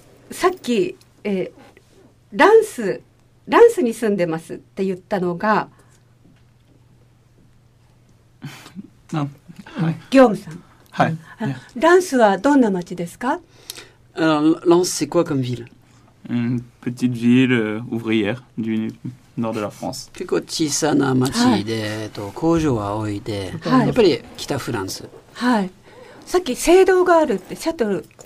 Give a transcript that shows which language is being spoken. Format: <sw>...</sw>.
<ja>さっき、ランスに住んでますって言ったのが、はい、ギョームさん、はい、ランスはどんな町ですか？</ja> <fr>ランス c'est quoi comme ville？ Une petite ville ouvrière du nord de la France。</fr> <ja>結構小さな町で、はい、工場は多いで、はい、やっぱり北フランス、はい、さっき聖堂があるってシャトル</ja>